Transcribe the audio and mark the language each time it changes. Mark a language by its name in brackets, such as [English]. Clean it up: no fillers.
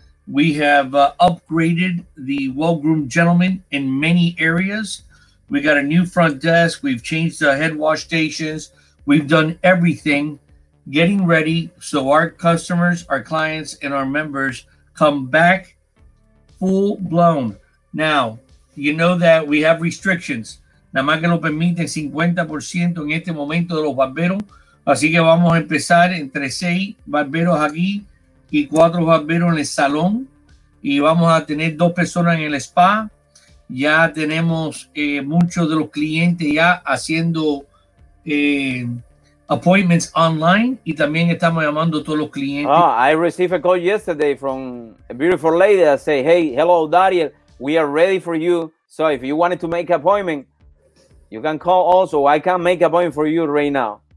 [English] We have upgraded the well-groomed gentleman in many areas. We got a new front desk. We've changed the head wash stations. We've done everything getting ready so our customers, our clients, and our members come back full blown. Now, you know that we have restrictions. [Spanish] Nada más que nos permiten 50% en este momento de los barberos. Así que vamos a empezar entre 6 barberos aquí y 4 barberos en el salón. Y vamos a tener 2 personas en el spa. Ya tenemos muchos de los clientes ya haciendo appointments online y también estamos llamando a todos los clientes. [English] Oh, I received a call yesterday from a beautiful lady that say, hey, hello, Dariel, we are ready for you. So if you wanted to make an appointment, you can call also. I can make an appointment for you right now.